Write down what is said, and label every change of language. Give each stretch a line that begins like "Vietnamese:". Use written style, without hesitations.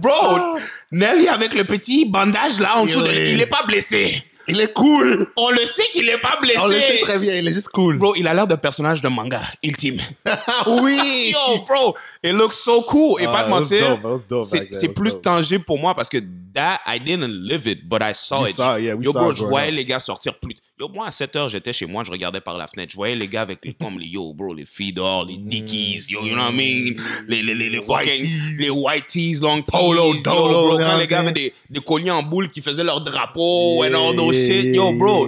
French: Bro, Nelly avec le petit bandage là en dessous, il est pas blessé. Il est cool. On le sait qu'il est pas blessé. On le sait très bien, il est juste cool. Bro, il a l'air d'un personnage de manga ultime. Oui.
English: Yo, bro, it looks so cool.
French: Et pas de mentir,
English: it was dope. It was dope.
French: C'est plus
English: dope.
French: Tangible pour moi parce que
English: that, I didn't live it, but I saw we it. Saw, yeah, we yo, bro, saw it
French: je voyais les gars sortir plus. Yo, moi, à 7h, j'étais chez moi, je regardais par la fenêtre. Je voyais les gars avec les comme les yo, bro, les filles d'or, les dickies, yo,
English: you know what I mean?
French: Les fucking, les white tees, long tees. Polo, dolo, bro. Quand les gars avaient des colliers en boule qui faisaient leur drapeau
English: and all those shit.
French: Yo, bro.